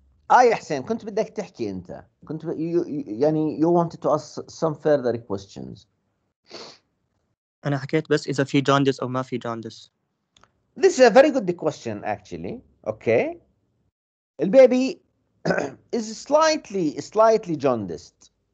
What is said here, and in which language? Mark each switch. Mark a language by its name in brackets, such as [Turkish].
[Arabic] آه يا حسين كنت بدك تحكي أنت. كنت [English] you wanted to ask some further questions. [Arabic] أنا حكيت بس إذا في جاندس أو ما في جاندس. [English] This is a very good question actually. Okay. البيبي is slightly jaundiced.